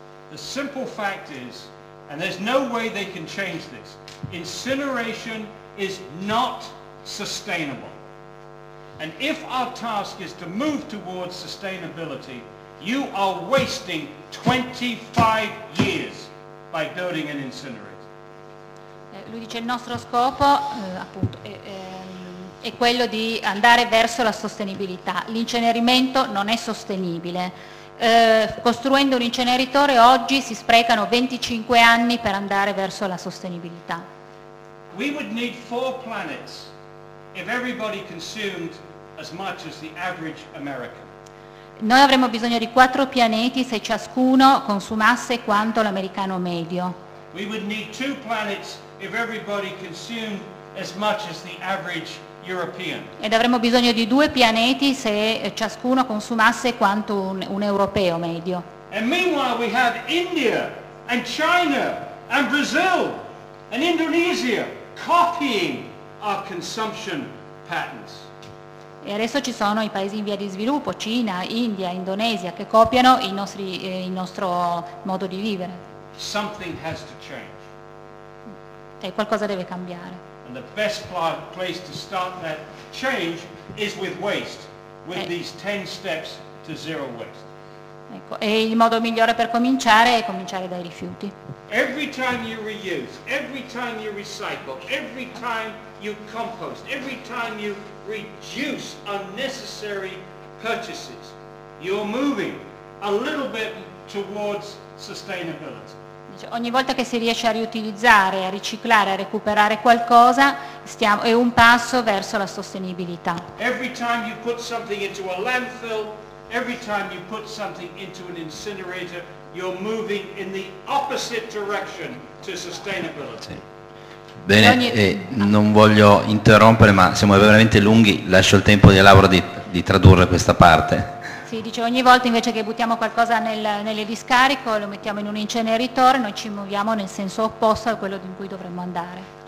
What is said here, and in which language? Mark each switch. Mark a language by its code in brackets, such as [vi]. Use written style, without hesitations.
[en] The simple fact is, and there's no way they can change this, incineration is not sustainable. And if our task is to move towards sustainability, you are wasting 25 years by building an incinerator. [it] Lui dice il nostro scopo appunto è quello di andare verso la sostenibilità. L'incenerimento non è sostenibile. Costruendo un inceneritore oggi si sprecano 25 anni per andare verso la sostenibilità. [en] We would need 4 planets if everybody consumed as much as the average American. [it] Noi avremmo bisogno di 4 pianeti se ciascuno consumasse quanto l'americano medio. [en] We would need 2 planets if everybody consumed as much as the average European. [it] Ed avremmo bisogno di due pianeti se ciascuno consumasse quanto un europeo medio. [en] And meanwhile we have India and China and Brazil and Indonesia copying our consumption patterns. [it] E adesso ci sono i paesi in via di sviluppo, Cina, India, Indonesia, che copiano i nostri, il nostro modo di vivere. [en] Something has to change. [it] E qualcosa deve cambiare. [en] And the best place to start that change is with waste, with these 10 steps to zero waste. [it] Ecco, e il modo migliore per cominciare è cominciare dai rifiuti. [en] Every time you reuse, every time you recycle, every time you compost, every time you reduce unnecessary purchases, you're moving a little bit towards sustainability. [it] Ogni volta che si riesce a riutilizzare, a riciclare, a recuperare qualcosa, stiamo, è un passo verso la sostenibilità. [en] Every time you put something into a landfill, every time you put something into an incinerator, you're moving in the opposite direction to sustainability. [it] Bene, non voglio interrompere, ma siamo veramente lunghi, lascio il tempo di Laura di tradurre questa parte. Sì, dice ogni volta invece che buttiamo qualcosa nelle discariche, lo mettiamo in un inceneritore, noi ci muoviamo nel senso opposto a quello in cui dovremmo andare.